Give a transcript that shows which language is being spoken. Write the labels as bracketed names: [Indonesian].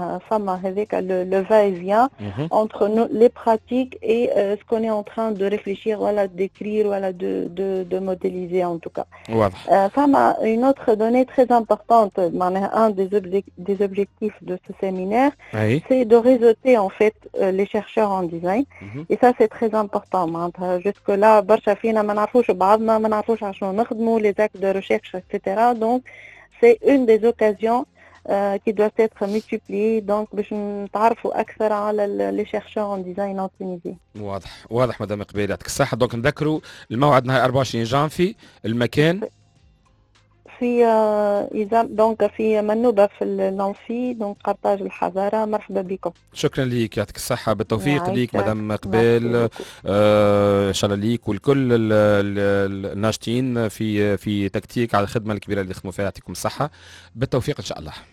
[French] Ça m'a révélé que le va-et-vient entre nous, les pratiques et ce qu'on est en train de réfléchir, voilà, d'écrire, voilà, de modéliser en tout cas. Voilà. Ça m'a une autre donnée très importante, un des objectifs de ce séminaire, oui. C'est de réseauter en fait les chercheurs en design. Et ça, c'est très important. Jusque-là, [Arabic] برشا فينا ما نعرفوش بعضنا, ما نعرفوش عشان نخدمو, [French] les actes de recherche, etc. Donc, c'est une des occasions qui doit être multipliée. Donc, [Arabic] باش نتعرفو أكثر على [French] les chercheurs en design en Tunisie. [Arabic] واضح, واضح, مدام قبيلة, يعطيك الصحة. دونك نذكروا الموعد نهار 24 جانفي, المكان. في إذا دونك في منوبة في الأنفي, دونك قرطاج الحضارة, مرحبا بكم. شكرا ليك, يعطيك الصحة, بالتوفيق ليك مدام قبيل, إن شاء الله ليك ولكل الناشطين في تكتيك على الخدمة الكبيرة اللي خدموا فيها, يعطيكم الصحة, بالتوفيق إن شاء الله.